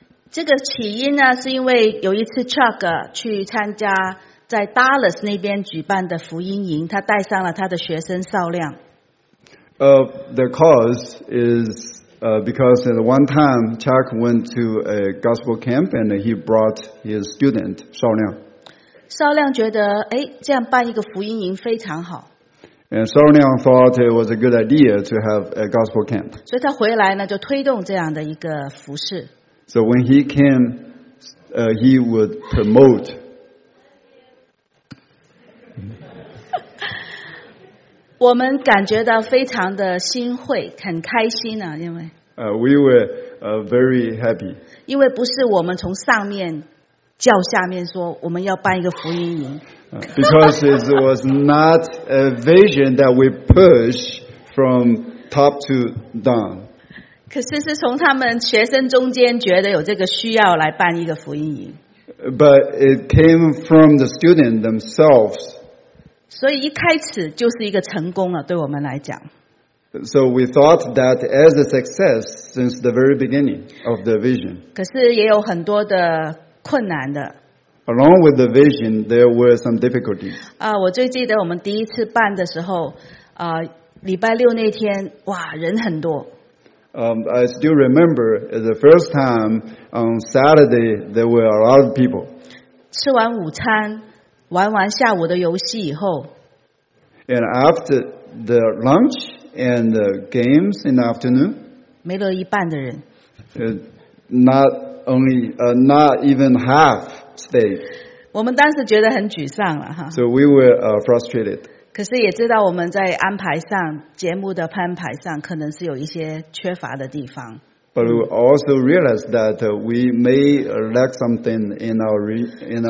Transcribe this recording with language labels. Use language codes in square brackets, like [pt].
[zh] 这个起因呢，是因为有一次 Chuck 去参加在 Dallas 那边举办的福音营，他带上了他的学生少亮。 [en] The cause is because at one time Chuck went to a gospel camp and he brought his student 少亮。 [zh] 少亮觉得，哎，这样办一个福音营非常好。 [en] And 少亮 thought it was a good idea to have a gospel camp. [zh] 所以他回来呢，就推动这样的一个服事。 [en] So when he came, he would promote. [zh] 我们感觉到非常的欣慰，很开心啊，因为。 [en] We were very happy. [zh] 因为不是我们从上面。叫下面说我们要办一个福音营。 [en] Because it was not a vision that we push from top to down. [zh] 可是是从他们学生中间觉得有这个需要来办一个福音营。 [en] But it came from the student themselves. [zh] 所以一开始就是一个成功了，对我们来讲。 [en] So we thought that as a success since the very beginning of the vision. [zh] 可是也有很多的困难的。 [en] Along with the vision, there were some difficulties. [zh] 我最记得我们第一次办的时候，礼拜六那天，哇，人很多。 [en] I still remember the first time on Saturday there were a lot of people. [zh] 吃完午餐，玩完下午的游戏以后。 [en] And after the lunch and the games in the afternoon. [zh] 没了一半的人。 [en] Not even half stayed. [zh] 我们当时觉得很沮丧了哈。 [en] So we were frustrated. [zh] 可是也知道我们在安排上节目的安排上可能是有一些缺乏的地方。 [en] But we also realized that we may lack something in our arrangement.